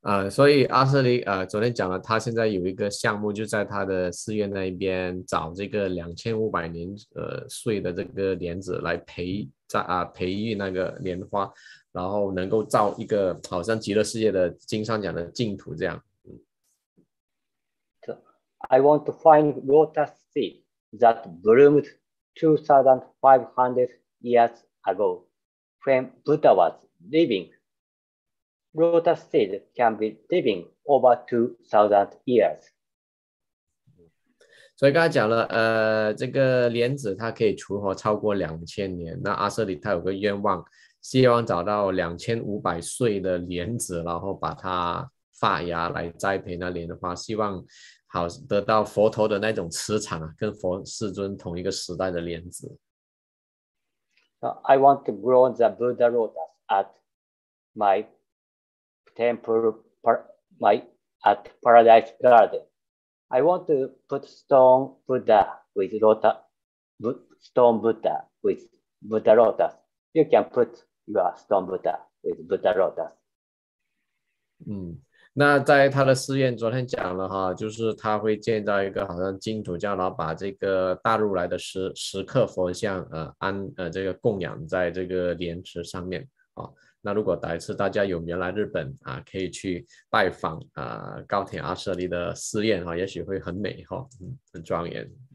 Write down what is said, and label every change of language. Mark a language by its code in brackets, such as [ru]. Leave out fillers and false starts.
[zh] 所以阿瑟里昨天讲了，他现在有一个项目，就在他的寺院那边找这个2500年岁的这个莲子来培育那个莲花，然后能够造一个好像极乐世界的经上讲的净土这样。 [en] So, I want to find lotus seed that bloomed 2,500 years ago when Buddha was living. Lotus seed can be living over 2,000 years. [zh] 所以刚才讲了，这个莲子它可以存活超过2000年。那阿瑟里他有个愿望，希望找到2500岁的莲子，然后把它发芽来栽培那莲花，希望好得到佛陀的那种磁场，跟佛世尊同一个时代的莲子。 [en] I want to grow the Buddha lotus at my. Temple at Paradise Garden. I want to put stone Buddha with Buddha lotus. You can put your stone Buddha with Buddha lotus. [zh] 那在他的寺院昨天讲了哈，就是他会建造一个好像净土教，然后把这个大如来的石刻佛像这个供养在这个莲池上面啊。那如果来一次，大家有缘来日本、可以去拜访、高田阿舍利的寺院、也许会很美、很庄严。